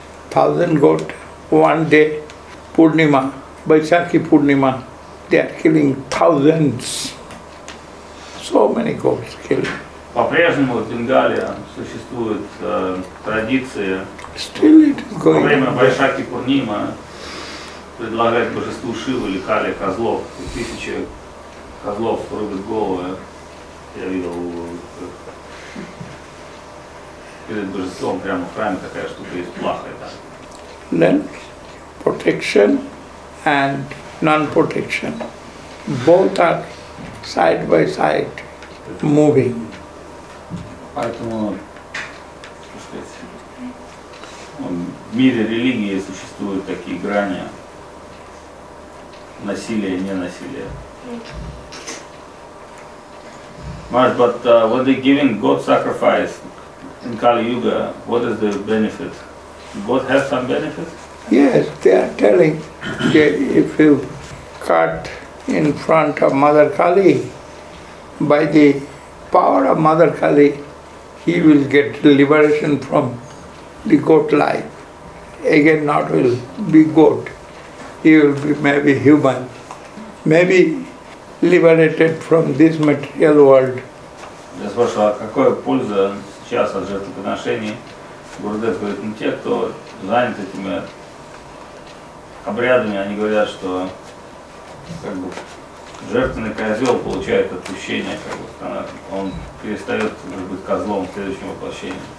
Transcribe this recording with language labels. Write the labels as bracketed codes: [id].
[en] Thousand goat, one day, Purnima, Vaisakhi Purnima, they are killing thousands. So many goats killing. [ru] По-прежнему в Бенгалии существует традиция. [en] Still it is going. [ru] Во время Вайшакхи Пурнима предлагать божеству Шивы или Кали козлов. И тысячи козлов рубят головы. Я видел Перед божеством прямо в храме такая штука есть, плохая, да. [en] Then protection and non-protection, both are side by side moving. [ru] Поэтому в мире религии существуют такие грани насилия и ненасилия. [en] Маш, but when they giving God sacrifice in Kali Yuga, what is the benefit? God has some benefit? Yes, they are telling that if you cut in front of Mother Kali, by the power of Mother Kali, he will get liberation from the goat life. Again, not will be goat. He will be maybe human. Maybe liberated from this material world. [ru] Я спрашивал, какая польза сейчас от жертвоприношений? Гурудев говорит, ну те, кто занят этими обрядами, они говорят, что как бы жертвенный козел получает отпущение, как бы он перестает быть козлом в следующем воплощении.